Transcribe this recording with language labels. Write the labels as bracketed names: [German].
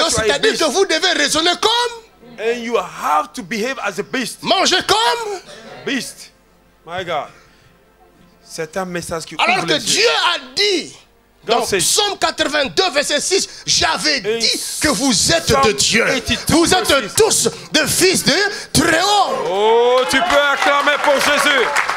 [French] donc, c'est-à-dire que vous devez raisonner comme. [English] And you have to behave as a beast. [French] Manger comme. [English] Beast. My God. [French] C'est un message qui alors que Dieu a dit dans Psaume 82 verset 6, j'avais dit que vous êtes de Dieu. Vous êtes tous des fils de Très-Haut. Oh, tu peux acclamer pour Jésus.